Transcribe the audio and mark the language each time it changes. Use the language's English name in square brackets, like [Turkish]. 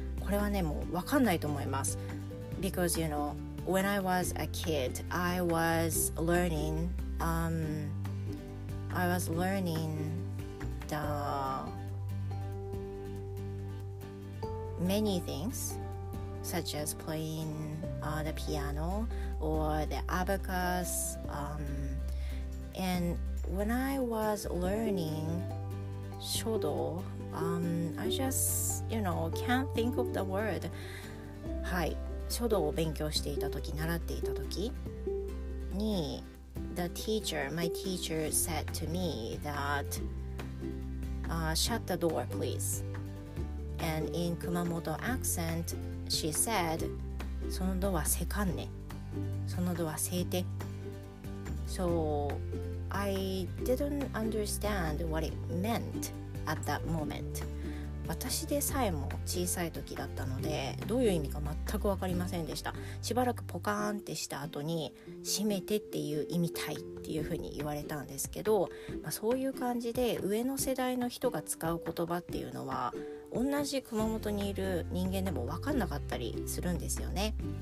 [Japanese] これはね、もうわかんないと思います。 [English] Because, you know, when I was a kid, I was learning I was learning the many things, such as playing the piano or the abacus. And when I was learning shodo, I just, you know, can't think of the word. [Japanese] はい、書道を勉強していた時、習っていた時に [English] The teacher, my teacher said to me that shut the door please. And in Kumamoto accent, she said [Japanese] そのドアせかんね、そのドアせいて。 [English] So I didn't understand what it meant at that moment. [Japanese] 私でさえも小さい時だったのでどういう意味か全く分かりませんでした。しばらくポカーンってした後に閉めてっていう意味たいっていう風に言われたんですけど、まあ、そういう感じで上の世代の人が使う言葉っていうのは同じ熊本にいる人間でも分かんなかったりするんですよね。